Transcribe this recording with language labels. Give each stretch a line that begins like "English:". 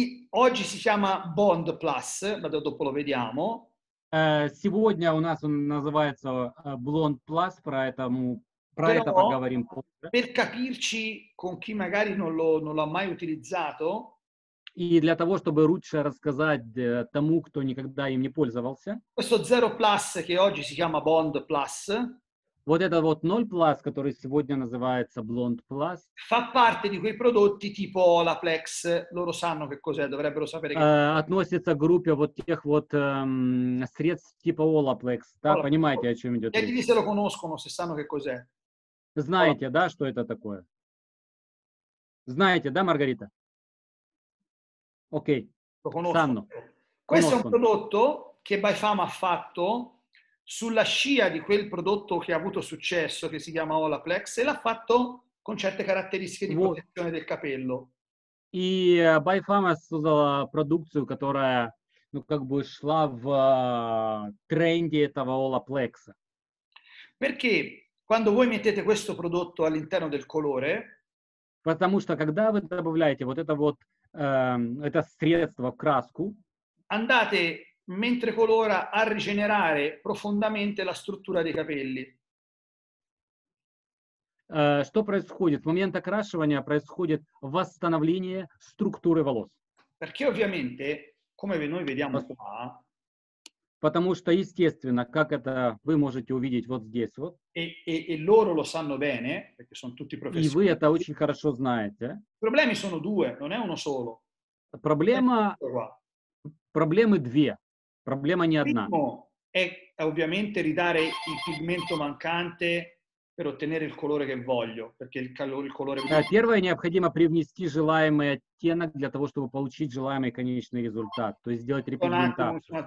Italian: Oggi si chiama Bond Plus, ma dopo lo vediamo.
Russian: Сегодня у нас он называется Bond Plus, про это поговорим.
Italian: Per capirci con chi magari non l'ha mai utilizzato.
Russian: И для того, чтобы лучше рассказать тому, кто никогда им не пользовался.
Italian: Questo Zero Plus, che oggi si chiama Bond Plus.
Russian: Вот это вот 0 Plus, который сегодня называется Blond Plus.
Italian: Fa parte di quei prodotti tipo Olaplex. Loro sanno che cos'è, dovrebbero sapere che.
Russian: Относится к группе вот тех вот средств типа Olaplex. Да, понимаете, о чём идёт речь?
Italian: Я conoscono, se sanno che cos'è.
Russian: Знаете, да, что это такое? Знаете, да, Маргарита? Окей.
Italian: Sanno. Questo è un prodotto che Bifam ha fatto sulla scia di quel prodotto che ha avuto successo, che si chiama Olaplex, e l'ha fatto con certe caratteristiche di protezione del capello.
Russian: И Bifam создала продукцию, которая, ну, как бы шла в тренде этого Olaplex.
Italian: Perché quando voi mettete questo prodotto all'interno del colore,
Russian: потому что когда вы добавляете вот это вот это средство в краску,
Italian: andate mentre colora a rigenerare profondamente la struttura dei capelli.
Russian: Что происходит? В момент окрашивания происходит восстановление структуры волос.
Italian: Perché ovviamente, come noi vediamo qua,
Russian: потому что естественно, как это вы можете увидеть вот здесь вот.
Italian: E loro lo sanno bene, perché sono tutti professionisti.
Russian: И вы это очень хорошо знаете.
Italian: Problemi sono due, non è uno solo.
Russian: Проблемы две. Проблема не одна.
Italian: Primo è ovviamente ridare il pigmento mancante per ottenere il colore che voglio, perché il colore.
Russian: Первое необходимо привнести желаемый оттенок для того, чтобы получить желаемый конечный результат, то есть сделать репигментацию.